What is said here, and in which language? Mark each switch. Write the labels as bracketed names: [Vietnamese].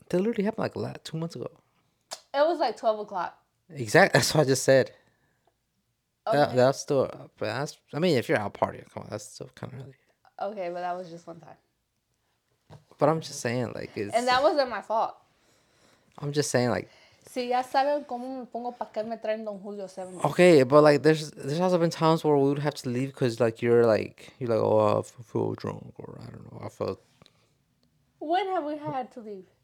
[English] That literally happened, like, 2 months ago. It was, like, 12 o'clock. Exactly. That's what I just said. Okay. That's still, but that's, I mean, if you're out partying, come on, that's still kind of early. Okay, but that was just one time. But I'm just saying, like, it's... And that wasn't my fault. I'm just saying, like... [Spanish] Si ya saben cómo me pongo, ¿para qué me traen Don Julio 7? [English] Okay, but, like, there's also been times where we would have to leave because, like, you're like, oh, I feel drunk, or I don't know, I felt... When have we had to leave?